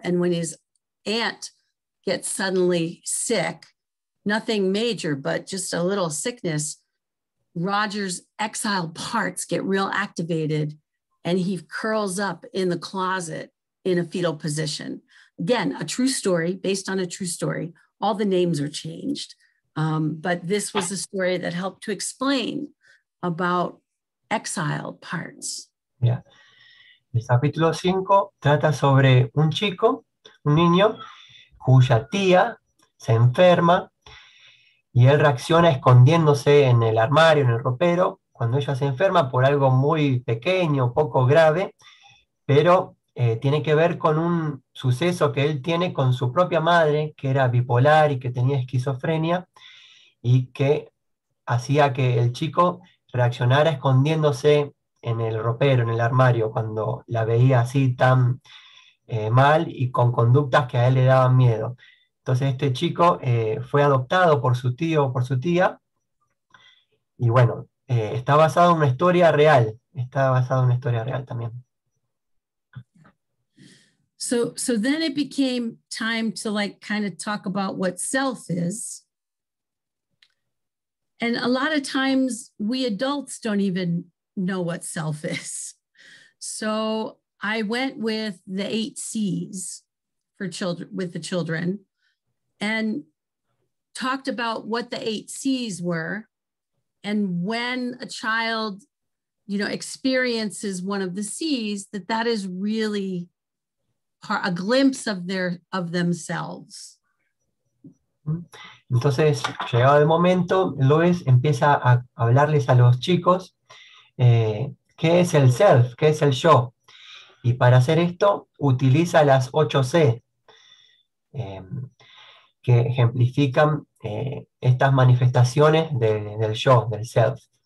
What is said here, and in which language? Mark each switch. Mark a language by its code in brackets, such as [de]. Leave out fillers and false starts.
[en] And when his aunt gets suddenly sick, nothing major, but just a little sickness, Roger's exiled parts get real activated, and he curls up in the closet in a fetal position. Again, a true story, based on a true story. All the names are changed. But this was a story that helped to explain about exiled parts. Yeah. [es] El capítulo 5 trata sobre un chico, un niño, cuya tía se enferma y él reacciona escondiéndose en el armario, en el ropero, cuando ella se enferma por algo muy pequeño, poco grave, pero tiene que ver con un suceso que él tiene con su propia madre, que era bipolar y que tenía esquizofrenia, y que hacía que el chico reaccionara escondiéndose en el ropero, en el armario, cuando la veía así tan mal y con conductas que a él le daban miedo. Entonces este chico fue adoptado por su tío o por su tía, y bueno, está basado en una historia real, está basado en una historia real también. [en] So then it became time to like kind of talk about what self is. And a lot of times we adults don't even know what self is. So I went with the 8 C's for children, with the children, and talked about what the 8 C's were. And when a child, you know, experiences one of the C's, that is really a glimpse of themselves. [es] Entonces, llegado el momento, Luis empieza a hablarles a los chicos qué es el self, qué es el yo. Y para hacer esto, utiliza las 8 C, que ejemplifican estas manifestaciones del yo, del self.